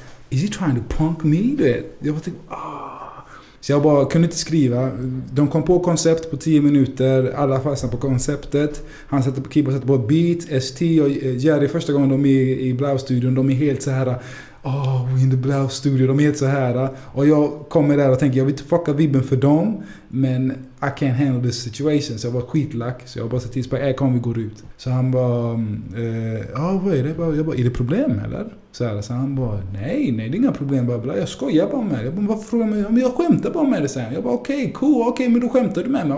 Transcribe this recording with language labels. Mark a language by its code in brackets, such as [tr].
[en] Is he trying to punk me? [sv] Jag bara tänkte, Så jag bara kunde inte skriva. De kom på koncept på 10 minuter. Alla fastnade på konceptet. Han sätter på keyboard, sätter på beat. ST och Jerry, första gången de är i Blau-studion. De är helt så här, [en] we're in the Blau-studio. [sv] De är helt så här. Och jag kommer där och tänker, jag vill inte fucka vibben för dem. Men [en] I can't handle this situation. [sv] Så jag var skitlack. Så jag bara sa till Speck, kom vi går ut. Så han bara, vad är det? Jag bara, är det problem eller? Så han bara, nej det är inga problem. Jag skojar bara med det. Jag bara, varför frågar mig? Men jag skämtar bara med det, säger han. Jag bara, okej, cool, men då skämtar du med mig.